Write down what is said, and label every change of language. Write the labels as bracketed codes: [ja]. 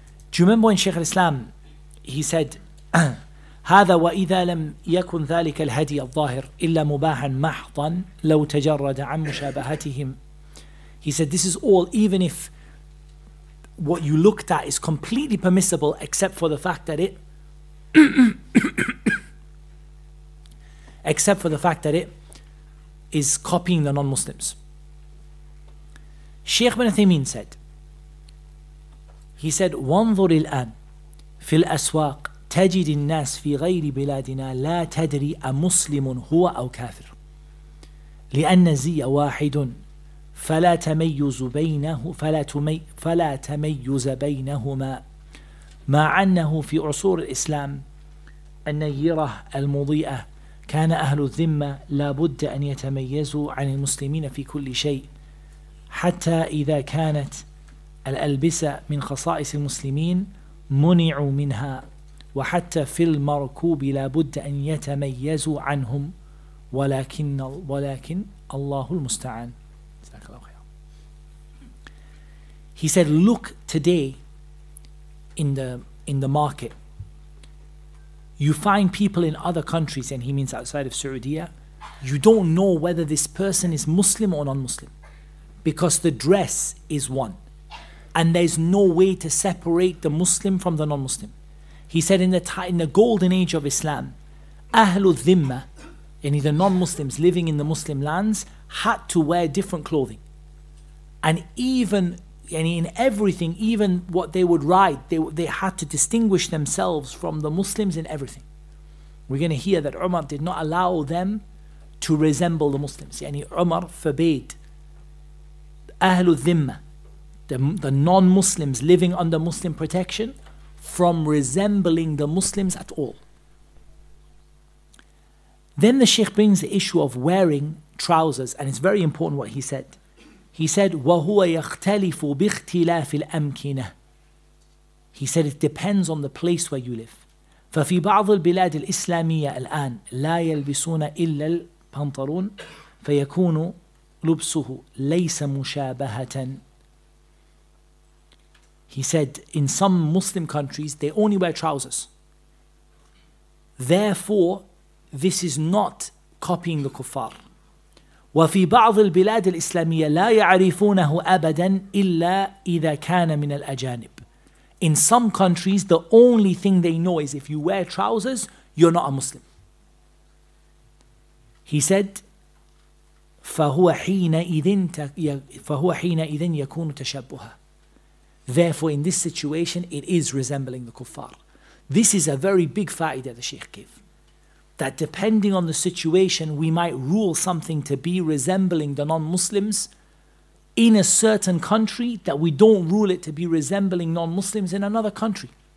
[en] Do you remember when Shaykh Islam, he said, [ar] هذا وإذا لم يكن ذلك الهدي الظاهر إلا مباحا محضا لو تجرد عن مشابهتهم. [en] He said, this is all, even if what you looked at is completely permissible except for the fact that it except for the fact that it is copying the non-Muslims. Shaykh Ibn Uthaymeen said, he said, [ar] وَانْظُرِ الْآنْ فِي الْأَسْوَاقِ تَجِدِ النَّاسِ فِي غَيْرِ بِلَادِنَا لَا تَدْرِي أَمُسْلِمٌ هُوَ أَوْ كَافِرٌ لِأَنَّ الزِّيَّ وَاحِدٌ فَلَا تَمَيُّزَ بَيْنَهُمَا مَا عَنَّهُ فِي عُصُورِ الْإِسْلَامِ النَّيِّرَةَ الْمُضِيئَةَ كان أهل الذمة لابد أن يتميزوا عن المسلمين في كل شيء حتى إذا كانت الألبسة من خصائص المسلمين منعوا منها وحتى في المركوب لابد أن يتميزوا عنهم ولكن الله المستعان. [en] He said, look today in the market. You find people in other countries, and he means outside of Saudi, you don't know whether this person is Muslim or non-Muslim, because the dress is one, and there's no way to separate the Muslim from the non-Muslim. He said in the golden age of Islam, Ahlul Dhimma, and the non-Muslims living in the Muslim lands, had to wear different clothing. And even in everything, even what they would ride, they had to distinguish themselves from the Muslims in everything. We're going to hear that Umar did not allow them to resemble the Muslims. Yani Umar forbade Ahlul Dhimma, the non-Muslims living under Muslim protection, from resembling the Muslims at all. Then the Sheikh brings the issue of wearing trousers, and it's very important what he said. He said, [ar] وَهُوَ يَخْتَلِفُ بِاخْتِلَافِ الْأَمْكِنَةِ. [en] He said, it depends on the place where you live. [ar] فَفِي بَعْضِ الْبِلَادِ الْإِسْلَامِيَّةِ الْآنْ لَا يَلْبِسُونَ إِلَّا الْبَنْطَرُونَ فَيَكُونُ لُبْسُهُ لَيْسَ مُشَابَهَةً. [en] He said, in some Muslim countries, they only wear trousers. Therefore, this is not copying the kuffar. [ar] وَفِي بَعْضِ الْبِلَادِ الْإِسْلَامِيَّةِ لَا يَعْرِفُونَهُ أَبَدًا إِلَّا إِذَا كَانَ مِنَ الْأَجَانِبِ. [en] In some countries, the only thing they know is if you wear trousers, you're not a Muslim. He said, [ar] فَهُوَ حِينَئِذٍ يَكُونُ تَشَبُّهَا. [en] Therefore, in this situation, it is resembling the kuffar. This is a very big fa'idah the Sheikh gave. That depending on the situation, we might rule something to be resembling the non-Muslims in a certain country, that we don't rule it to be resembling non-Muslims in another country.